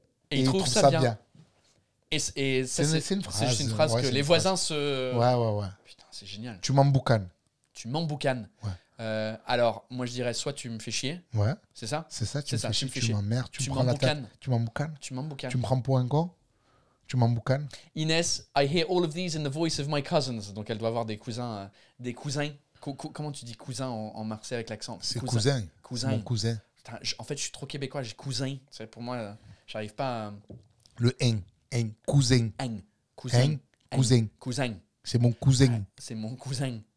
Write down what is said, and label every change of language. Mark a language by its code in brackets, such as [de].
[fr] Et il trouve ça bien. Et ça, c'est une phrase. C'est juste une phrase, ouais, que les voisins phrase. Se... Ouais, ouais, ouais. Putain, c'est génial. Tu m'emboucanes. Tu m'emboucanes. Ouais. Alors, moi, je dirais soit tu me fais chier. Ouais. C'est ça. C'est ça, tu c'est me ça, fais chier, tu m'emmerdes, tu me prends la tête. Tu m'emboucanes. Tu m'emboucanes. Tu me prends pour un con. Tu m'emboucanes. [en] Inès, I hear all of these in the voice of my cousins. [fr] Donc, elle doit avoir des cousins. Des cousins. Comment tu dis cousin en marseillais avec l'accent? C'est cousin. Cousin. Mon cousin. Putain, en fait, je suis trop québécois, j'ai cousin. C'est pour moi, j'arrive pas à... Le N. N. Cousin. N. Cousin. N. Cousin. Cousin. C'est mon cousin. C'est mon cousin.